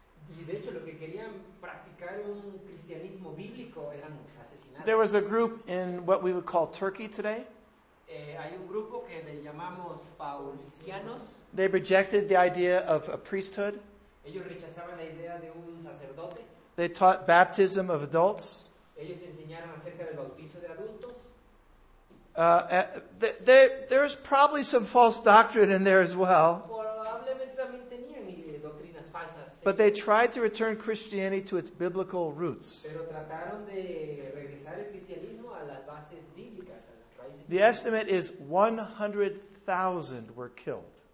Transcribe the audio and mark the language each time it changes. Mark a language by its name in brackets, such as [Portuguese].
[Spanish] Y de hecho, lo que querían practicar un cristianismo bíblico eran asesinados. [English] There was a group in what we would call Turkey today. [Spanish] Hay un grupo que le llamamos paulicianos. [English] They rejected the idea of a priesthood. [Spanish] Ellos rechazaban la idea de un sacerdote. [English] They taught baptism of adults. [Spanish] Ellos enseñaron acerca del bautizo de adultos. [English] There's probably some false doctrine in there as well. [Spanish] Probablemente también tenían doctrinas falsas. [English] But they tried to return Christianity to its biblical roots. [Spanish] Pero trataron de regresar el cristianismo a las bases bíblicas. [English] The estimate is 100,000 were killed.